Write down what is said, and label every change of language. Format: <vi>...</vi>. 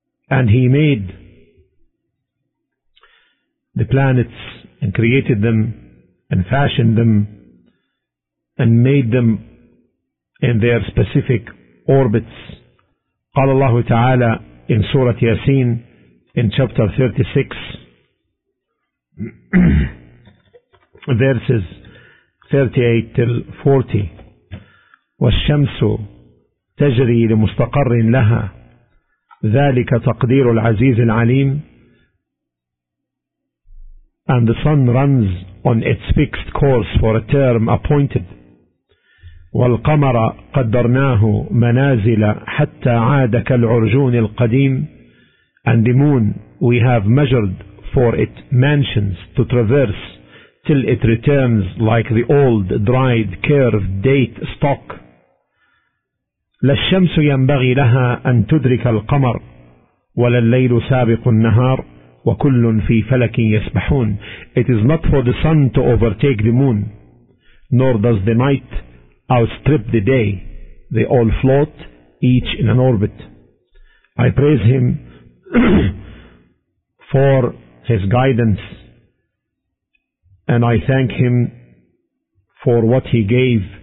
<en>And He made the planets and created them and fashioned them and made them in their specific orbits.</en> <ar>قال الله تعالى</ar> <en>in Surah Yasin in chapter 36 verses 38 till 40.</en> <ar>والشمس تجري لمستقر لها ذلك تقدير العزيز العليم.</ar> <en>And the sun runs on its fixed course for a term appointed.</en> <ar>والقمر قدرناه منازل حتى عاد كالعرجون القديم.</ar> <en>And the moon we have measured for it mansions to traverse till it returns like the old dried curved date stock.</en> <ar>للشمس ينبغي لها أن تدرك القمر ولا الليل سابق النهار وكل في فلك يسبحون.</ar> <en>It is not for the sun to overtake the moon, nor does the night outstrip the day. They all float, each in an orbit. I praise Him for His guidance, and I thank Him for what He gave,</en>